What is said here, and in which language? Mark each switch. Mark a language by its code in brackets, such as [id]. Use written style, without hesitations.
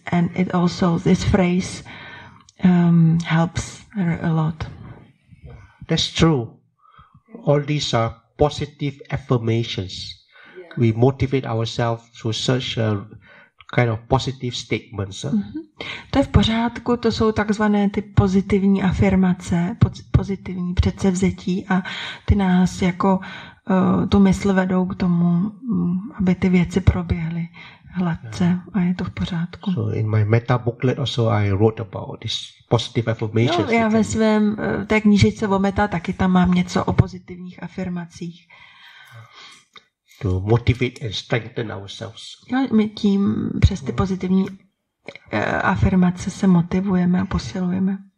[en] And it also, this phrase helps her a lot. That's true. All these are positive affirmations. We motivate ourselves through such a kind of positive statements. [cs] To je v pořádku, to jsou takzvané ty pozitivní afirmace, pozitivní předsevzetí a ty nás jako tu mysl vedou k tomu, aby ty věci proběhly hladce a je to v pořádku. [en] So in my meta booklet also I wrote about this positive affirmations. [cs] Jo, já ve svém té knížice o meta taky tam mám něco o pozitivních afirmacích. [en] To motivate and strengthen ourselves. [cs] No, my tím přes ty pozitivní afirmace se motivujeme a posilujeme.